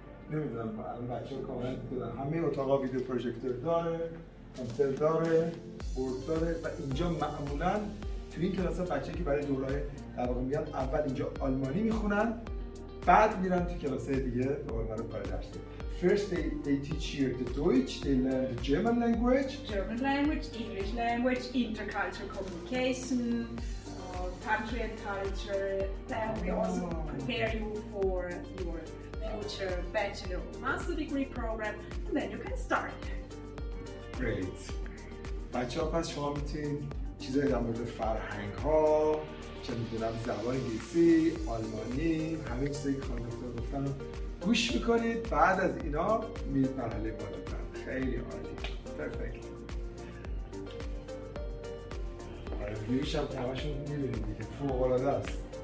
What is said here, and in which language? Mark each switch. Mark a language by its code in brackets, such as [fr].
[fa] نمیدونم بچه ها کامنت بودن همه اتاقا ویدیو پروژکتور داره کامپیوتر داره بورد داره و اینجا معمولا توی این کلاس ها بچه که برای دورهای در واقع میاد اول اینجا آلمانی میخونن بعد میرن توی کلاس های دیگه دوباره برای کار درس دارن [en] First they teach here the Deutsch, they learn the German language. German language, English language, intercultural communication, country and culture. Then we also prepare you for your future bachelor master degree program and then you can start. Great. [fa] بچه ها پس شما میتونید چیزای در مورد فرهنگ ها چه میدونم زبان انگلیسی، آلمانی همه چیزایی که خانم دکتر گفتن رو گوش میکنید بعد از اینا میرید مرحله بالاتر خیلی عالی پرفکت برای ویوش هم تماشون میبینید دیگه فوق‌العاده است